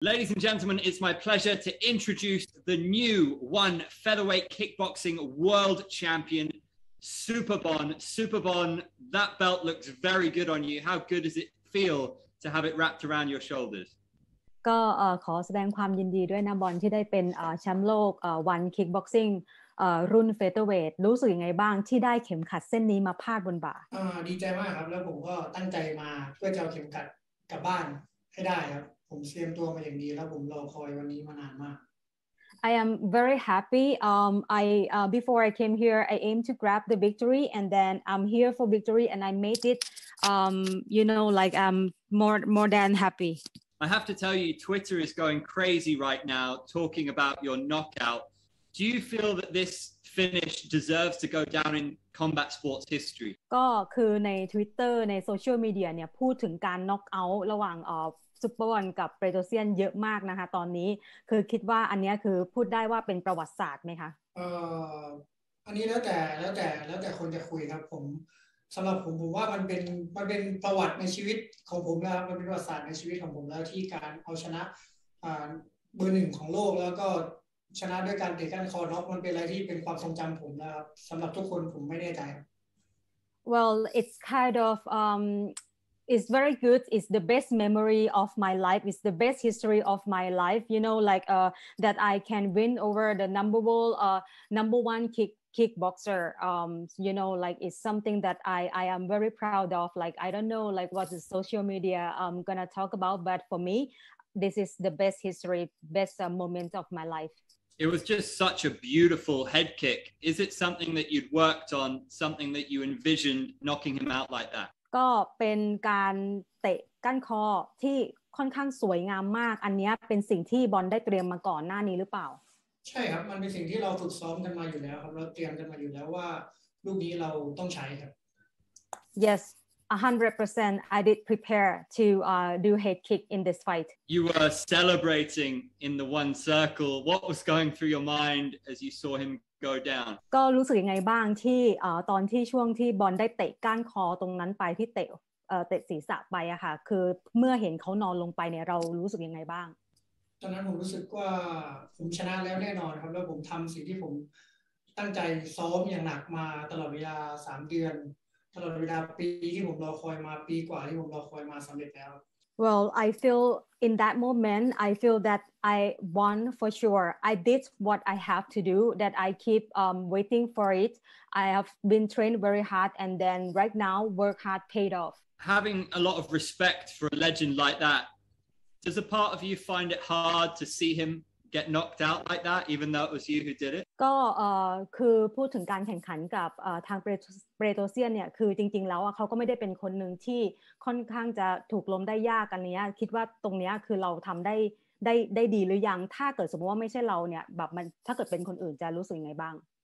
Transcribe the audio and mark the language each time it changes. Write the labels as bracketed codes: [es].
[en] Ladies and gentlemen, it's my pleasure to introduce the new one featherweight kickboxing world champion, Super Bon. Super Bon, that belt looks very good on you. How good does it feel to have it wrapped around your shoulders? [th] ก็ขอแสดงความยินดีด้วยนะบอนที่ได้เป็นแชมป์โลกวันคิกบ็อกซิ่งรุ่นเฟเธอร์เวทรู้สึกยังไงบ้างที่ได้เข็มขัดเส้นนี้มาพาดบนบ่า ดีใจมากครับแล้วผมก็ตั้งใจมาเพื่อจะเอาเข็มขัดกลับบ้านให้ได้ครับผมเตรียมตัวมาอย่างดีแล้วผมรอคอยวันนี้มานานมาก [en] I am very happy before I came here I aimed to grab the victory and then I'm here for victory and I made it you know like I'm more than happy I have to tell you, Twitter is going crazy right now talking about your knockout. Do you feel that this finish deserves to go down in combat sports history? [th] ก็คือใน Twitter ในโซเชียลมีเดียเนี่ยพูดถึงการ knockout ระหว่างซุปเปอร์บอนกับเปโตรเซียนเยอะมากนะคะตอนนี้คือคิดว่าอันนี้คือพูดได้ว่าเป็นประวัติศาสตร์ไหมคะ อันนี้แล้วแต่คนจะคุยครับผมสำหรับผมผมว่ามันเป็นประวัติในชีวิตของผมแล้วมันเป็นประวัติศาสตร์ในชีวิตของผมแล้วที่การเอาชนะเบอร์หนึ่งของโลกแล้วก็ชนะด้วยการเตะก้านคอน็อกมันเป็นอะไรที่เป็นความทรงจำผมนะครับสำหรับทุกคนผมไม่แน่ใจ [en] Well it's kind of it's very good it's the best memory of my life it's the best history of my life you know like that I can win over the number one kickboxer you know like it's something that I am very proud of like I don't know like what the social media gonna talk about but for me this is the best history best moment of my life it was just such a beautiful head kick is it something that you'd worked on something that you envisioned knocking him out like that [th] ก็เป็นการเตะก้านคอที่ค่อนข้างสวยงามมากอันนี้เป็นสิ่งที่บอลได้เตรียมมาก่อนหน้านี้หรือเปล่า ใช่ครับมันเป็นสิ่งที่เราฝึกซ้อมกันมาอยู่แล้วครับเราเตรียมกันมาอยู่แล้วว่าลูกนี้เราต้องใช้ครับ [en] Yes 100% I did prepare to do head kick in this fight You were celebrating in the one circle What was going through your mind as you saw him go down [th] ก็รู้สึกยังไงบ้างที่ตอนที่ช่วงที่บอลได้เตะก้านคอตรงนั้นไปที่เตะศีรษะไปอะค่ะคือเมื่อเห็นเขานอนลงไปเนี่ยเรารู้สึกยังไงบ้าง ตอนนั้นผมรู้สึกว่าผมชนะแล้วแน่นอนครับแล้วผมทำสิ่งที่ผมตั้งใจซ้อมอย่างหนักมาตลอดเวลา3เดือนตลอดเวลาปีที่ผมรอคอยมาปีกว่าที่ผมรอคอยมาสำเร็จแล้ว [en] Well I feel in that moment I feel that I won for sure I did what I have to do that I keep waiting for it I have been trained very hard and then right now work hard paid off Having a lot of respect for a legend like thatDoes a part of you find it hard to see him get knocked out like that, even though it was you who did it? [th] ก็คือพูดถึงการแข่งขันกับทางเปโตรเซียนเนี่ยคือจริงๆแล้วเขาก็ไม่ได้เป็นคนหนึ่งที่ค่อนข้างจะถูกล้มได้ยากกันเนี้ยคิดว่าตรงเนี้ยคือเราทำได้ดีหรือยังถ้าเกิดสมมติว่าไม่ใช่เราเนี่ยแบบมันถ้าเกิดเป็นคนอื่นจะรู้สึกยังไงบ้าง